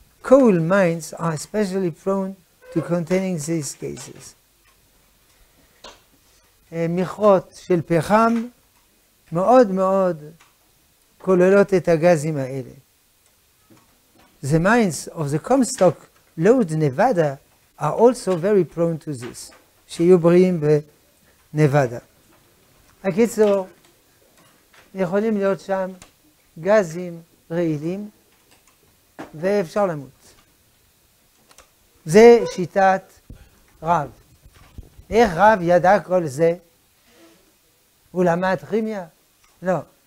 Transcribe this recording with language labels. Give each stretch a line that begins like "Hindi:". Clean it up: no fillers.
English: cool minds are especially prone to containing these gases.
Hebrew: מכרות של פחם מאוד מאוד כוללות את הגזים האלה.
English: The mines of the Comstock Lode, Nevada are also very prone to this.
Hebrew: שיהיו בריאים בנבדה. הקיצור, יכולים להיות שם גזים רעילים ואפשר למות. זה שיטת רב. איך רב ידע כל זה? הוא למד כימיה? לא.